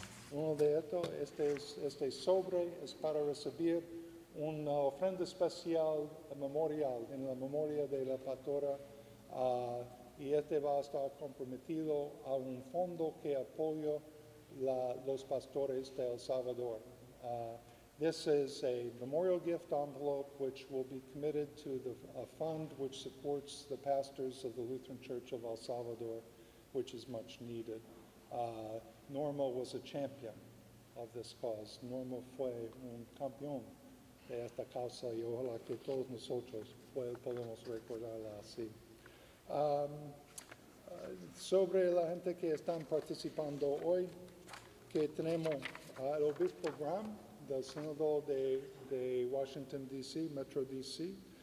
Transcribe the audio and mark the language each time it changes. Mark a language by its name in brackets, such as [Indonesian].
[Spanish] Uno de estos, este sobre, es para recibir una ofrenda especial memorial, en la memoria de la pastora, y este va a estar comprometido a un fondo que apoya los pastores de El Salvador. [English] This is a memorial gift envelope which will be committed to a fund which supports the pastors of the Lutheran Church of El Salvador, which is much needed. Norma was a champion of this cause. [Spanish] Norma fue un campeón de esta causa y ojalá que todos nosotros podamos recordarla así. Sobre la gente que están participando hoy, que tenemos el Obispo Graham del Senado de Washington, D.C., Metro D.C.